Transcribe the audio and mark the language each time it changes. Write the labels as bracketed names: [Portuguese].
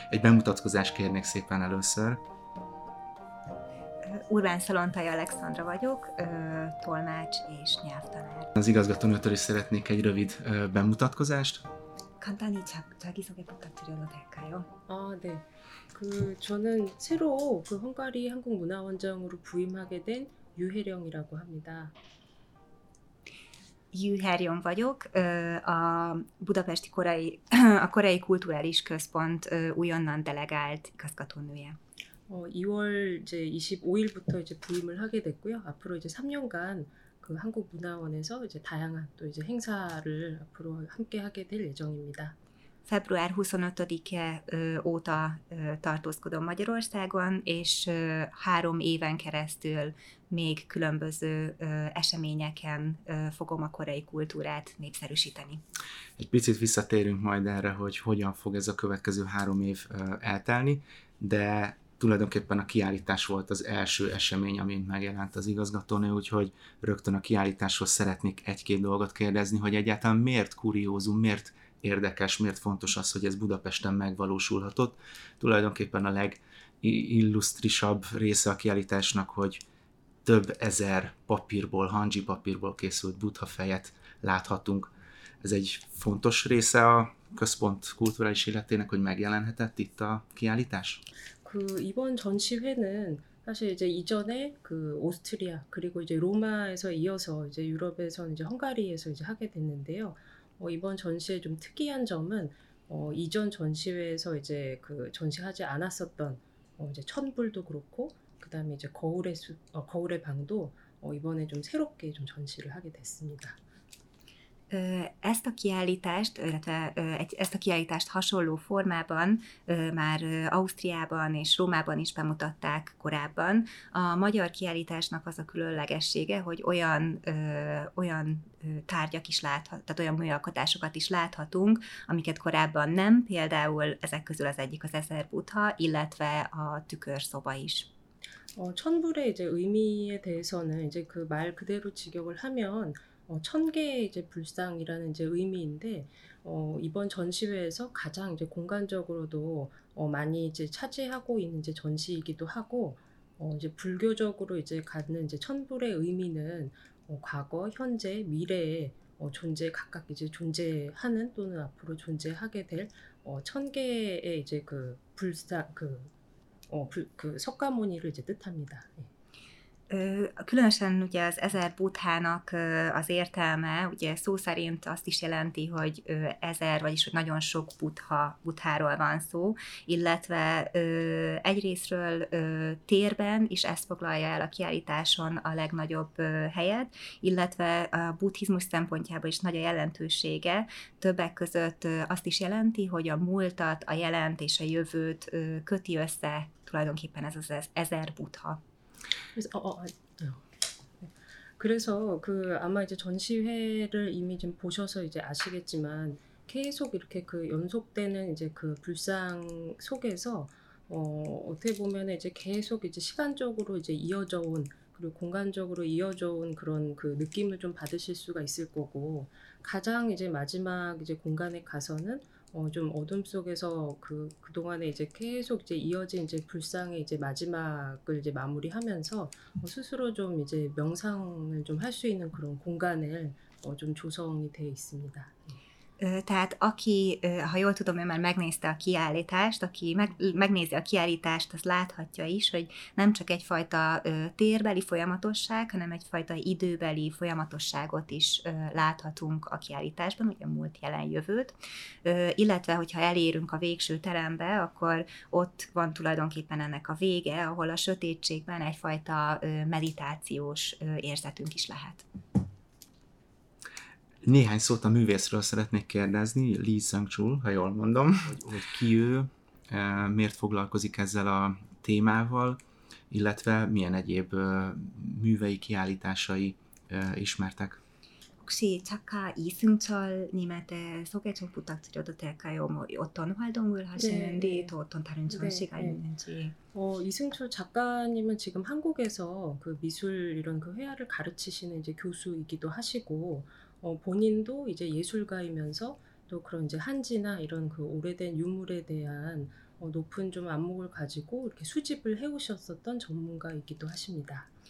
[Hungarian] Egy bemutatkozást kérnék szépen először. Urbán Szalontai Alexandra vagyok, tolmács és nyelvtanár. Az igazgatónőtől is szeretnék egy rövid bemutatkozást. Kantani csak, csak is, hogy bemutatkozunk a dekájó. De. [Korean] 그 저는 새로 그 헝가리 한국 문화 원장으로 부임하게 된 유혜령이라고 합니다. [Hungarian] 유혜령 vagyok. A Budapesti Koreai a Koreai Kulturális Központ újonnan delegált igazgatónője. [Korean] 2월 이제 25일부터 이제 부임을 하게 됐고요. 앞으로 이제 3년간 그 한국 문화원에서 이제 다양한 또 이제 행사를 앞으로 함께 하게 될 예정입니다. [Hungarian] Február 25-e óta tartózkodom Magyarországon, és három éven keresztül még különböző eseményeken fogom a koreai kultúrát népszerűsíteni. Egy picit visszatérünk majd erre, hogy hogyan fog ez a következő három év eltelni, de tulajdonképpen a kiállítás volt az első esemény, amint megjelent az igazgatónő, úgyhogy rögtön a kiállításhoz szeretnék egy-két dolgot kérdezni, hogy egyáltalán miért kuriózum, miért érdekes, miért fontos az, hogy ez Budapesten megvalósulhatott. Tulajdonképpen a legillusztrisabb része a kiállításnak, hogy több ezer papírból, hanji papírból készült buddhafejet láthatunk. Ez egy fontos része a központ kulturális életének, hogy megjelenhetett itt a kiállítás? [Korean] 그 이번 전시회는 사실 이제 이전에 그 오스트리아 그리고 이제 로마에서 이어서 이제 유럽에서는 이제 헝가리에서 이제 하게 됐는데요. 이번 전시의 좀 특이한 점은 이전 전시회에서 이제 그 전시하지 않았었던 이제 천불도 그렇고 그다음에 이제 거울의 방도 이번에 좀 새롭게 좀 전시를 하게 됐습니다. [Hungarian] Ezt a kiállítást, illetve ezt a kiállítást hasonló formában már Ausztriában és Rómában is bemutatták korábban. A magyar kiállításnak az a különlegessége, hogy olyan tárgyak is láthatunk, tehát olyan műalkotásokat is láthatunk, amiket korábban nem, például ezek közül az egyik az Ezer Buddha, illetve a tükörszoba is. [Korean] 천불의 이제 의미에 대해서는 이제 그 말 그대로 직역을 하면 천개의 이제 불상이라는 이제 의미인데 이번 전시회에서 가장 이제 공간적으로도 많이 이제 차지하고 있는 이제 전시이기도 하고 이제 불교적으로 이제 갖는 이제 천불의 의미는 과거, 현재, 미래에 존재 각각 이제 존재하는 또는 앞으로 존재하게 될 천개의 이제 그 불상 그 석가모니를 이제 뜻합니다. 예. [Hungarian] különösen ugye az ezer buddhának az értelme, ugye szó szerint azt is jelenti, hogy ezer, vagyis hogy nagyon sok buddháról van szó, illetve egyrészről térben is ezt foglalja el a kiállításon a legnagyobb helyet, illetve a buddhizmus szempontjából is nagy a jelentősége, többek között azt is jelenti, hogy a múltat, a jelent és a jövőt köti össze tulajdonképpen ez az ezer buddha. [Korean] 그래서 그 아마 이제 전시회를 이미 좀 보셔서 이제 아시겠지만 계속 이렇게 그 연속되는 이제 그 불상 속에서 어떻게 보면 이제 계속 이제 시간적으로 이제 이어져 온 그리고 공간적으로 이어져 온 그런 그 느낌을 좀 받으실 수가 있을 거고 가장 이제 마지막 이제 공간에 가서는 좀 어둠 속에서 그동안에 이제 계속 이제 이어진 이제 불상의 이제 마지막을 이제 마무리하면서 스스로 좀 이제 명상을 좀 할 수 있는 그런 공간을 좀 조성이 되어 있습니다. [Hungarian] Tehát aki, ha jól tudom, ő már megnézte a kiállítást, aki megnézi a kiállítást, az láthatja is, hogy nem csak egyfajta térbeli folyamatosság, hanem egyfajta időbeli folyamatosságot is láthatunk a kiállításban, ugye múlt, jelen, jövőt. Illetve, hogyha elérünk a végső terembe, akkor ott van tulajdonképpen ennek a vége, ahol a sötétségben egyfajta meditációs érzetünk is lehet. Néhány szót a művészről szeretnék kérdezni, Lee Seung-chul, ha jól mondom, hogy ki ő, miért foglalkozik ezzel a témával, illetve milyen egyéb művei kiállításai ismertek. [Korean] 혹시 작가 이승철 님한테 소개 좀 부탁드려도 될까요? 뭐 어떤 활동을 하시는지 네. 또 어떤 다른 전시가 네. 있는지. 이승철 작가님은 지금 한국에서 그 미술 이런 그 회화를 가르치시는 이제 교수이기도 하시고 본인도 이제 예술가이면서 또 그런 이제 한지나 이런 그 오래된 유물에 대한 높은 좀 안목을 가지고 이렇게 수집을 해 오셨었던 전문가이기도 하십니다.